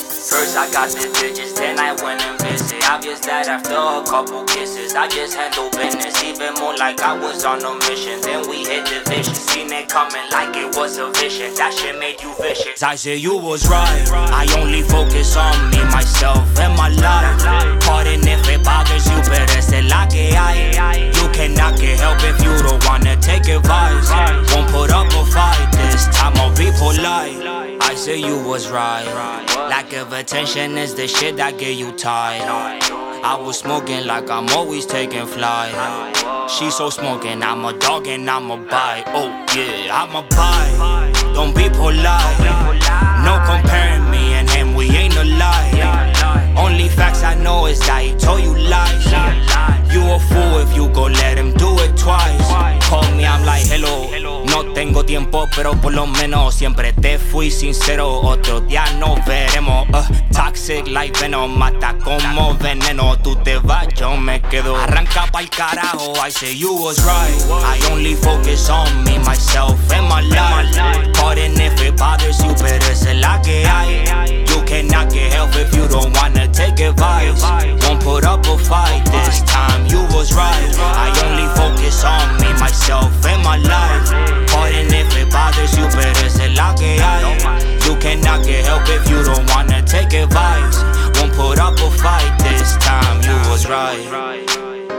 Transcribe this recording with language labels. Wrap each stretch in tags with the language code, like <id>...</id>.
<en>First I got the digits, then I went and visited. Obvious that after a couple kisses, I just handled business. Even more like I was on a mission. Then we hit the vision, seen it coming like it was a vision. That shit made you vicious. I said you was right. I only focus on me, myself, and my life. Pardon if it bothers you,</en> <es>pero es la que hay.</es> <en>You cannot get help if you don't wanna take advice. Won't put up a fight, this time I'll be polite. I say you was right. Lack of attention is the shit that get you tired. I was smoking like I'm always taking flight. She so smoking, I'm a dog and I'm a bite. Oh yeah, I'm a bite. Don't be polite. No comparing me and him, we ain't alike. Only facts I know is that he told you lies. You a fool if you go let him do it twice. Call me, I'm like, hello.</en> <es>No tengo tiempo, pero por lo menos siempre te fui sincero. Otro día nos veremos.</es> <en>Toxic like venom,</en> <es>mata como veneno. Tú te vas, yo me quedo. Arranca pa'l carajo,</es> <en>I say you was right. I only focus on me, myself and my life. Pardon if it bothers you,</en> <es>pero es la que hay.</es> <en>You cannot get help if you don't wanna take advice. Won't put up a fight this time, you was right. I only focus on me, myself and my life. Pardon if it bothers you, but it's</en> <es>la que hay.</es> <en>You cannot get help if you don't wanna take advice. Won't put up a fight this time, you was right.</en>